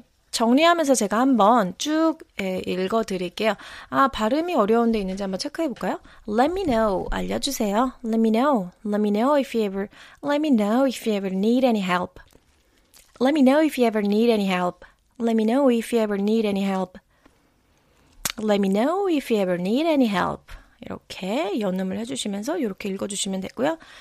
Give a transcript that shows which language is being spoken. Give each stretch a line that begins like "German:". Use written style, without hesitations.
Korean: 정리하면서 제가 한번 쭉 읽어드릴게요. 아, 발음이 어려운 데 있는지 한번 체크해볼까요?
English: Let me know.
Korean: 알려주세요.
English: Let me know. Let me know if you ever, let me know if you ever need any help. Let me know if you ever need any help. Let me know if you ever need any help. Let me know if you ever need any help.
Korean: 이렇게 연음을 해주시면서 이렇게 읽어주시면 되고요.